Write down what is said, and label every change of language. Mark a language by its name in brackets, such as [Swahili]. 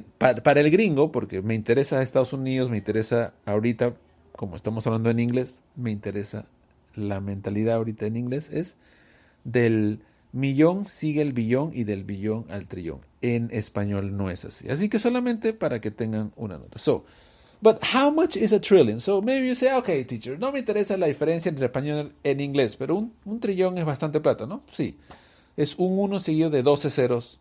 [Spanish] Para el gringo, porque me interesa Estados Unidos, me interesa ahorita, como estamos hablando en inglés, me interesa la mentalidad ahorita en inglés, es del millón sigue el billón y del billón al trillón. En español no es así. Así que solamente para que tengan una nota. [English] So, but how much is a trillion? So maybe you say, okay, teacher, [Spanish] no me interesa la diferencia entre español en inglés, pero un trillón es bastante plata, ¿no? Sí, es un 1 seguido de 12 ceros.